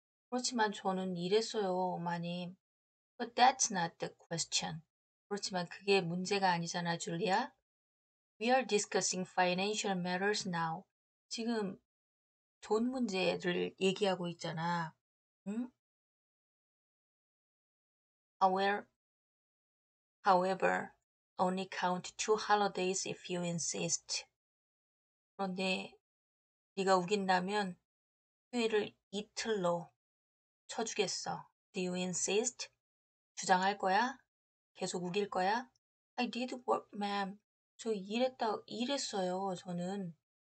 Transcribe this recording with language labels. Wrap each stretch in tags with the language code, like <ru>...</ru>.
<ko>그렇지만 저는 일했어요, 어머님.</ko> <en>But that's not the question.</en> <ko>그렇지만 그게 문제가 아니잖아, 줄리아.</ko> <en>We are discussing financial matters now.</en> <ko>지금 돈 문제를 얘기하고 있잖아. 응?</ko> <en>However, only count two holidays if you insist.</en> <ko>그런데 네가 우긴다면 휴일을 이틀로 쳐주겠어.</ko> <en>Do you insist?</en> <ko>주장할 거야? 계속 우길 거야?</ko> <en>I did work, ma'am.</en> <ko>저 일했어요, 저는.</ko>